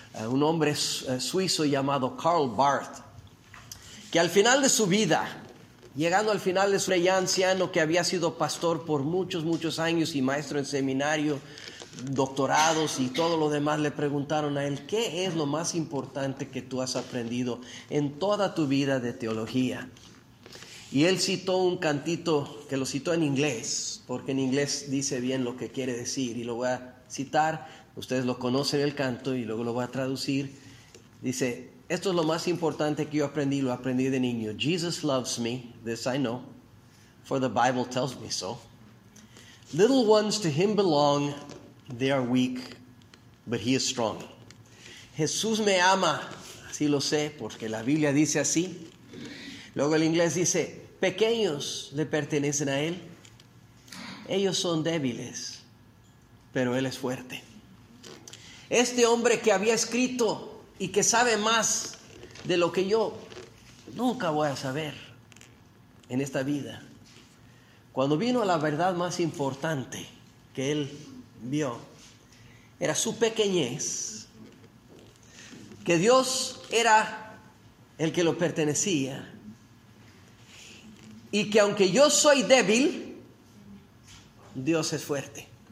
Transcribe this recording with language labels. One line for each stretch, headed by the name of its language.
Spanish: Un hombre suizo llamado Karl Barth, que al final de su vida, llegando al final de su vida, ya anciano, que había sido pastor por muchos, muchos años y maestro en seminario, doctorados y todo lo demás, le preguntaron a él, ¿qué es lo más importante que tú has aprendido en toda tu vida de teología? Y él citó un cantito que lo citó en inglés, porque en inglés dice bien lo que quiere decir, y lo voy a citar. Ustedes lo conocen el canto y luego lo voy a traducir. Dice, esto es lo más importante que yo aprendí, lo aprendí de niño.
English: Jesus loves me, this I know, for the Bible tells me so. Little ones to him belong, they are weak, but he is strong.
Spanish: Jesús me ama, así lo sé, porque la Biblia dice así. Luego el inglés dice, pequeños le pertenecen a él. Ellos son débiles, pero él es fuerte. Este hombre que había escrito y que sabe más de lo que yo nunca voy a saber en esta vida, cuando vino a la verdad más importante que él vio, era su pequeñez, que Dios era el que lo pertenecía y que aunque yo soy débil, Dios es fuerte.